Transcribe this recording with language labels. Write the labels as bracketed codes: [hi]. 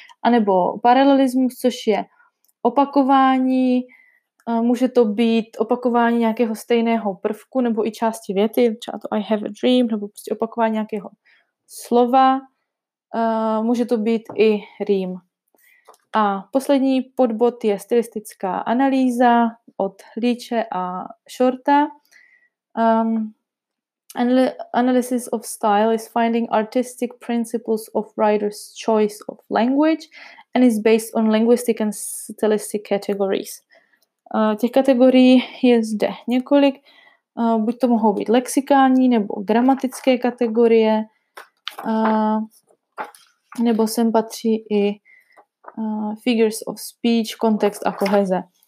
[cs] A nebo paralelismus, což je opakování, může to být opakování nějakého stejného prvku nebo i části věty, třeba to I have a dream, nebo prostě opakování nějakého slova. Může to být i rým. A poslední podbod je stylistická analýza od Leache a Shorta. [en] Analysis of style is finding artistic principles of writer's choice of language and is based on linguistic and stylistic categories. [cs] Těch kategorií je zde několik. Buď to mohou být lexikální nebo gramatické kategorie. Nebo sem patří i figures of speech, kontext a koheze.